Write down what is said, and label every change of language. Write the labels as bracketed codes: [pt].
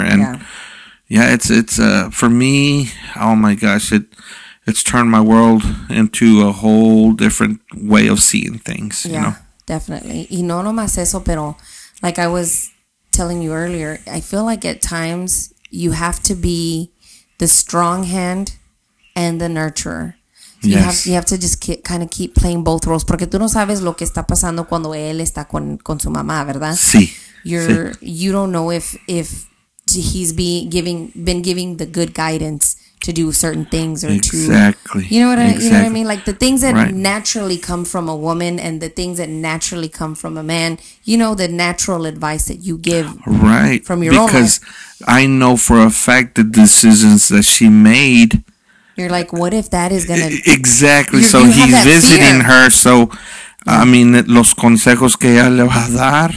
[en] And for me, oh my gosh, it's turned my world into a whole different way of seeing things, you know? Definitely. [es] Y no nomás eso, pero [en] like I was telling you earlier, I feel like at times you have to be the strong hand and the nurturer. So you have to just kind of keep playing both roles. [es] Porque tú no sabes lo que está pasando cuando él está con su mamá, ¿verdad? Sí. [en] You don't know if he's been giving the good guidance to do certain things or you know what I mean? Like the things that naturally come from a woman and the things that naturally come from a man, you know, the natural advice that you give from your because own I know for a fact the decisions that she made. You're like, what if that is going to... Exactly. So he's visiting her. So, I mean, [es] los consejos que ella le va a dar.